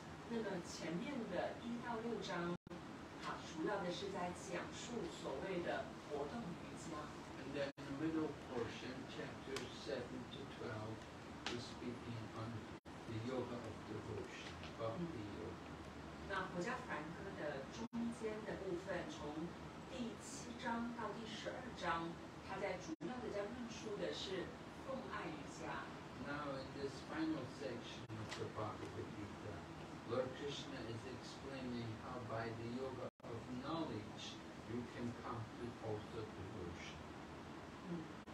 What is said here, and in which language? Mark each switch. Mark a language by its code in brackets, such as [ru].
[zh] 那么前面的1到6章，它主要的是在讲述所谓的活动瑜伽。 [en] And then the middle portion, chapters 7 to 12, is speaking on the yoga of devotion, bhakti yoga. [zh] 那国家梵歌的中间的部分，从第7章到第12章，它在主要的在论述的是奉爱瑜伽。 [en] Now in this final section of the Bhagavad Gita, Lord Krishna is explaining how by the yoga of knowledge you can come to also devotion.